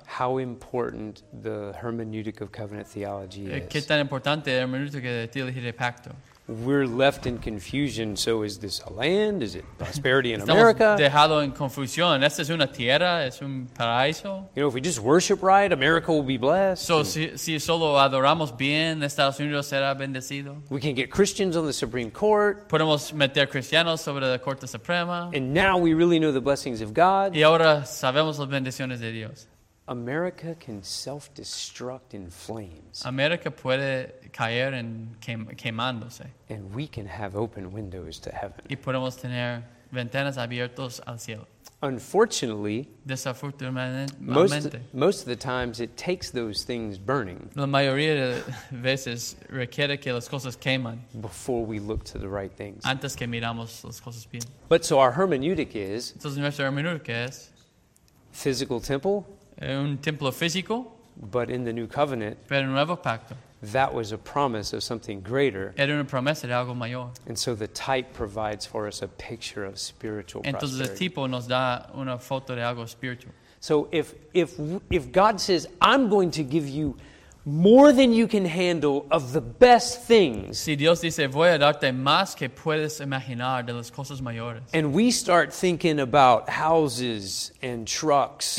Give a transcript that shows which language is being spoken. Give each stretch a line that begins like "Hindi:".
English: How important the hermeneutic of covenant theology is.
Spanish: Qué tan importante es la hermenéutica de teología de pacto.
English: We're left in confusion. So is this a land? Is it prosperity in America?
Spanish: Dejado en confusión. Esta es una tierra. Es un paraíso.
English: You know, if we just worship right, America will be blessed.
Spanish: So si solo adoramos bien, Estados Unidos será bendecido.
English: We can get Christians on the Supreme Court.
Spanish: Podemos meter cristianos sobre la Corte Suprema.
English: And now we really know the blessings of God.
Spanish: Y ahora sabemos las bendiciones de Dios.
English: America can self-destruct in flames.
Spanish: América puede caer en quemándose.
English: And we can have open windows to heaven.
Spanish: Y podemos tener ventanas abiertos al cielo.
English: Unfortunately, most of the times it takes those things burning.
Spanish: La mayoría de veces requiere que las cosas queman.
English: Before we look to the right things.
Spanish: Antes que miramos las cosas bien.
English: But so our hermeneutic is.
Spanish: Entonces nuestra hermenéutica es.
English: Physical temple.
Spanish: Un templo físico.
English: But in the new covenant.
Spanish: Pero en el nuevo pacto.
English: That was a promise of something greater.
Spanish: Era una promesa de algo mayor.
English: And so the type provides for us a picture of spiritual prosperity.
Spanish: Entonces el tipo nos da una foto de algo espiritual.
English: So if God says, I'm going to give you more than you can handle of the best things.
Spanish: Si Dios dice, voy a darte más que puedes imaginar de las cosas mayores.
English: And we start thinking about houses and trucks.